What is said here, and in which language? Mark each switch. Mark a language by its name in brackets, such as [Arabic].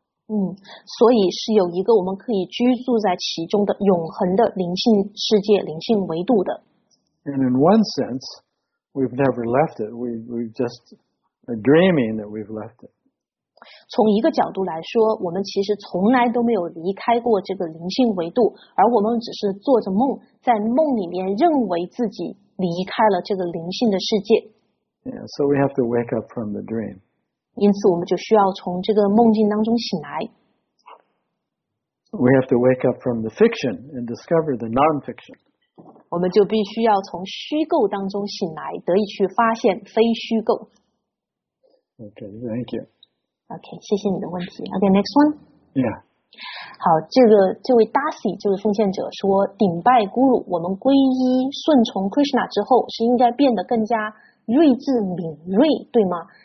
[Chinese] 所以是有一个我们可以居住在其中的永恒的灵性世界、灵性维度的。 [English] And in one sense, we've never left it. We're just dreaming that we've left it. [Chinese] 从一个角度来说，我们其实从来都没有离开过这个灵性维度，而我们只是做着梦，在梦里面认为自己离开了这个灵性的世界。 [English] Yeah, so we have to wake up from the dream. [Chinese] 因此我们就需要从这个梦境当中醒来。 [English] We have to wake up from the fiction and discover the non-fiction. [Chinese] 我们就必须要从虚构当中醒来，得以去发现非虚构。 [English] Okay, thank you. Okay, [Chinese] 谢谢你的问题。 [English] Okay, next one. Yeah. [Chinese] 好，这位 Darcy 这位奉献者说，顶拜孤鲁，我们皈依顺从 Krishna 之后，是应该变得更加睿智敏锐，对吗？